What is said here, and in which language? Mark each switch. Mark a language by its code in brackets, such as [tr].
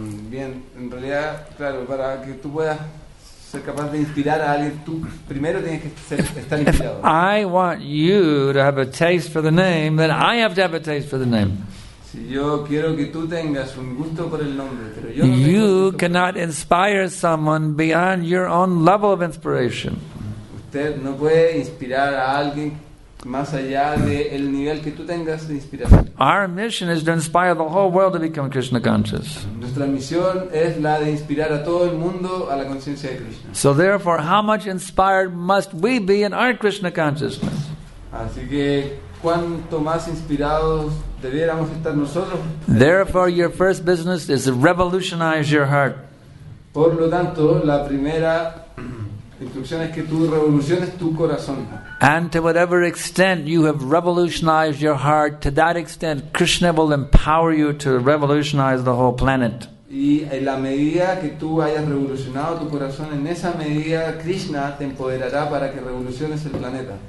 [es] Bien, en realidad, claro, para que tú puedas ser capaz de inspirar a alguien, tú primero tienes que estar inspirado. [en] If I want you to have a taste for the name, then I have to have a taste for the name. [es] Si yo quiero que tú tengas un gusto por el nombre, pero yo no. [en] You cannot inspire someone beyond your own level of inspiration. [es] Usted no puede inspirar a alguien más allá del nivel que tú tengas de inspiración. [en] Our mission is to inspire the whole world to become Krishna conscious. [es] Nuestra misión es la de inspirar a todo el mundo a la conciencia de Krishna. [en] So therefore, how much inspired must we be in our Krishna consciousness? [es] Así que, ¿cuánto más inspirados debiéramos estar nosotros? [en] Therefore, your first business is to revolutionize your heart. [es] Por lo tanto, la primera instrucciones que tú revoluciones tu corazón. [en] And to whatever extent you have revolutionized your heart, to that extent Krishna will empower you to revolutionize the whole planet. [es] Y en la medida que tú hayas revolucionado tu corazón, en esa medida Krishna te empoderará para que revoluciones el planeta.